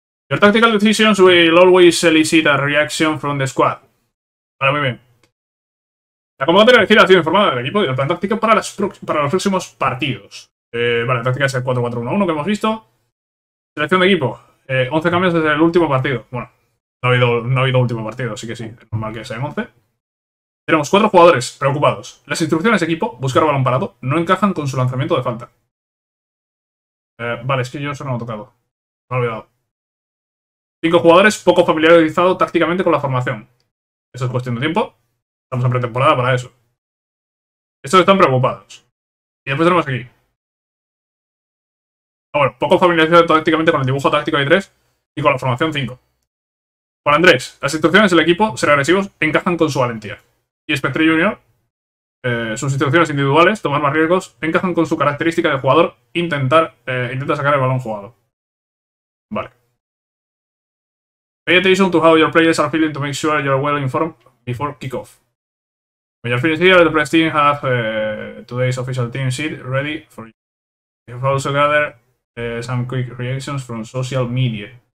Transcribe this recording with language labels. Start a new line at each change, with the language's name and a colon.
English: Your tactical decisions will always elicit a reaction from the squad.
Spanish: Vale, muy bien. La convocatoria de Cira ha sido informada del equipo y del plan táctico para los próximos partidos. Vale, la táctica es el 4-4-1-1 que hemos visto. Selección de equipo. 11 cambios desde el último partido. Bueno, no ha habido último partido, así que sí, es normal que sean 11. Tenemos 4 jugadores preocupados. Las instrucciones de equipo, buscar balón parado, no encajan con su lanzamiento de falta. Vale, es que yo eso no lo he tocado. Me he olvidado. 5 jugadores poco familiarizados tácticamente con la formación. Eso es cuestión de tiempo. Estamos en pretemporada para eso. Estos están preocupados. Y después tenemos aquí. Ah, bueno, poco familiarizado tácticamente con el dibujo táctico de 3 y con la formación 5. Juan Andrés, las instrucciones del equipo, ser agresivos, encajan con su valentía. Y Spectre Junior, sus instrucciones individuales, tomar más riesgos, encajan con su característica de jugador, intenta sacar el balón jugado. Vale.
English: Pay attention to how your players are feeling to make sure you're well informed before kickoff. When you're finished here, the press team have today's official team sheet ready for you. You have also gathered some quick reactions from social media.